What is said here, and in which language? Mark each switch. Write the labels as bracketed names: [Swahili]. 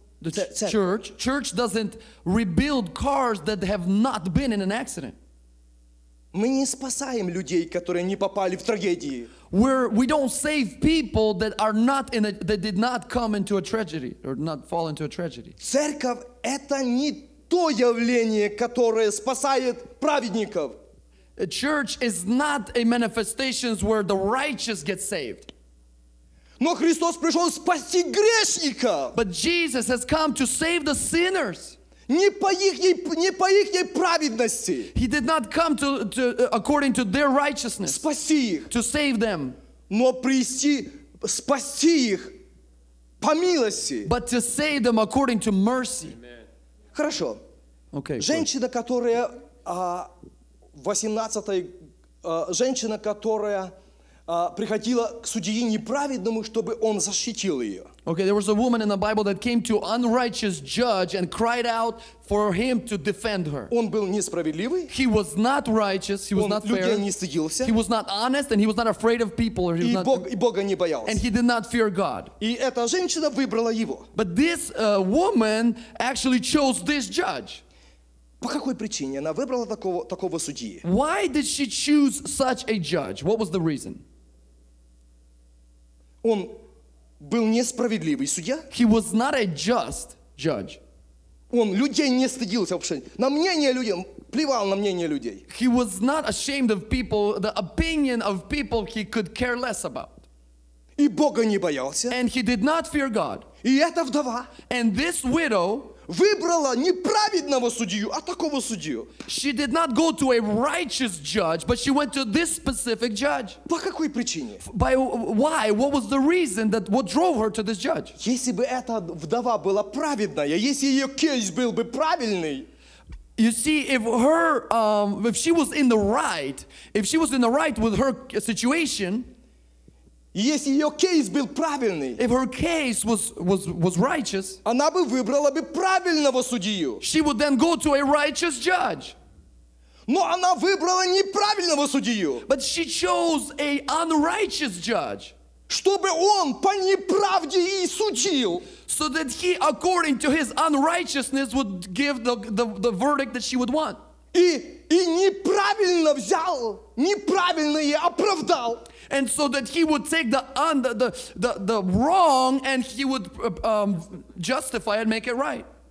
[English] Church doesn't rebuild cars that have not been in an accident. [Russian] Мы не спасаем людей, которые не попали в трагедии. [English] We don't save people that are not in that did not come into a tragedy or not fall into a tragedy. [Russian] Церковь это не то явление, которое спасает праведников. [English] A church is not a manifestation where the righteous get saved. [Russian] Но Христос пришел спасти грешников. [English] But Jesus has come to save the sinners. [Russian] Не по ихней праведности. [English] He did not come to according to their righteousness. [Russian] Спаси их. [English] To save them. [Russian] Но прийти спасти их по милости. [English] But to save them according to mercy. [Russian] Amen. Хорошо. [English] Okay. [Russian] Женщина, которая 18-й женщина, которая приходила к судье неправедному, чтобы он защитил ее. [English] Okay, there was a woman in the Bible that came to unrighteous judge and cried out for him to defend her. [Russian] Он был несправедливый. [English] He was not righteous. He was not fair. [Russian] Он людей не стыдился. [English] He was not honest and he was not afraid of people. [Russian] И Бога не боялся. [English] And he did not fear God. [Russian] И эта женщина выбрала его. [English] But this woman actually chose this judge. [Russian] По какой причине она выбрала такого судьи? [English] Why did she choose such a judge? What was the reason? [Russian] Он был несправедливый судья. [English] He was not a just judge. [Russian] Он людей не стыдился вообще. На мнение людей, плевал на мнение людей. [English] He was not ashamed of people, the opinion of people he could care less about. [Russian] И Бога не боялся. [English] And he did not fear God. [Russian] И эта вдова. [English] And this widow. [Russian] Выбрала неправедного судью, а такого судью. [English] She did not go to a righteous judge, but she went to this specific judge. [Russian] По какой причине? [English] By why? What was the reason that what drove her to this judge? [Russian] Если бы эта вдова была праведная, если ее кейс был бы правильный. [English] You see, if she was in the right, if she was in the right with her situation. [Russian] Если ее кейс был правильный, [English] if her case was righteous, [Russian] она бы выбрала бы правильного судью. [English] She would then go to a righteous judge. [Russian] Но она выбрала неправильного судью. [English] But she chose a unrighteous judge. [Russian] Чтобы он по неправде и судил. [English] So that he, according to his unrighteousness, would give the verdict that she would want. [Russian] И неправильно взял, неправильно ее оправдал. [English] And so that he would take the wrong and he would justify and make it right.